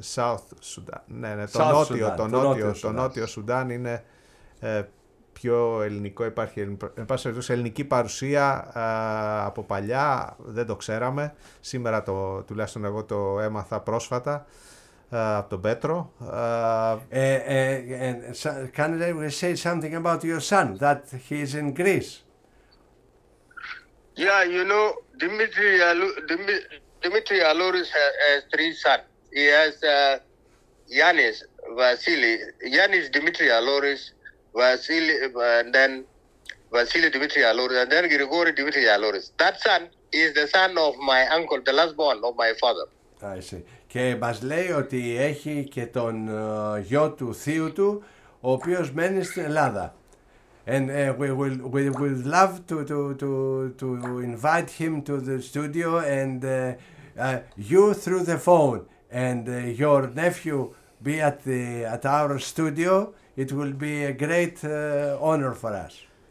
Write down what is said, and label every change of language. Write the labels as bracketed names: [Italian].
[Greek] South Sudan. Ναι, το Νότιο Σουδάν. Το Νότιο Σουδάν είναι πιο ελληνικό, υπάρχει ελληνική παρουσία από παλιά, δεν το ξέραμε. Σήμερα τουλάχιστον εγώ το έμαθα πρόσφατα από τον Πέτρο. [English] Can you say something about your son, that he is in Greece? Yeah, you know, Dimitri Yalouris has three sons. He has Yanis Vasili, Yanis Dimitri Yalouris, Vasili, and then Vasili Dimitri Yalouris, and then Grigori Dimitri Yalouris. That son is the son of my uncle, the last born of my father. I see. [Greek] Και μας λέει ότι έχει και τον γιο του θείου του, ο οποίος μένει στην Ελλάδα. [English] And we would love to invite him to the studio and you through the phone and your nephew be at our studio. It will be a great honor for us.